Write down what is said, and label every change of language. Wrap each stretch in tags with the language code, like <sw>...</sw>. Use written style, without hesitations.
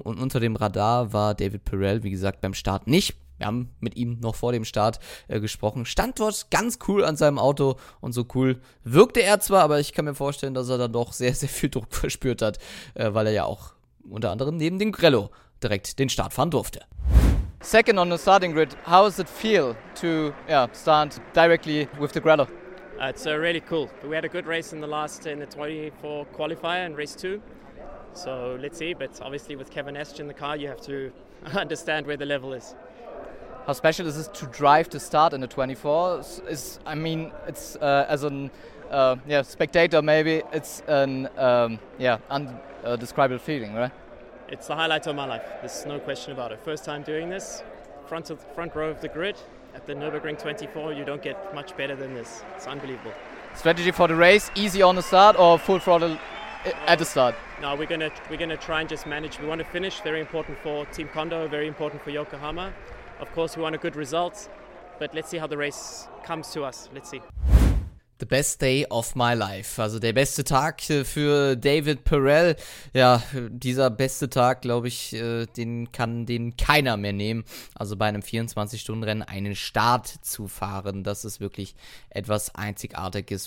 <de>Und unter dem Radar war David Pirrell, wie gesagt, beim Start nicht. Wir haben mit ihm noch vor dem Start gesprochen. Stand dort ganz cool an seinem Auto und so cool wirkte er zwar, aber ich kann mir vorstellen, dass er da doch sehr, sehr viel Druck verspürt hat, weil er ja auch unter anderem neben dem Grello direkt den Start fahren durfte.</de> <en>Second on the starting grid, how does it feel to start directly with the Grello? It's really cool. We had a good race in the 24 qualifier in race 2. So let's see, but obviously with Kevin Estrin in the car, you have to understand where the level is. How special is this to drive to start in the 24? It's as an spectator, maybe it's an undescribable feeling, right? It's the highlight of my life. There's no question about it. First time doing this, front row of the grid at the Nürburgring 24. You don't get much better than this. It's unbelievable. Strategy for the race: easy on the start or full throttle at the start? No, we're gonna try and just manage. We want to finish. Very important for Team Kondo. Very important for Yokohama. Of course, we want a good result, but let's see how the race comes to us. Let's see. The best day of my life.</en> <de>Also der beste Tag für David Pirrell. Ja, dieser beste Tag, glaube ich, den kann keiner mehr nehmen. Also bei einem 24-Stunden-Rennen einen Start zu fahren, das ist wirklich etwas Einzigartiges.</de>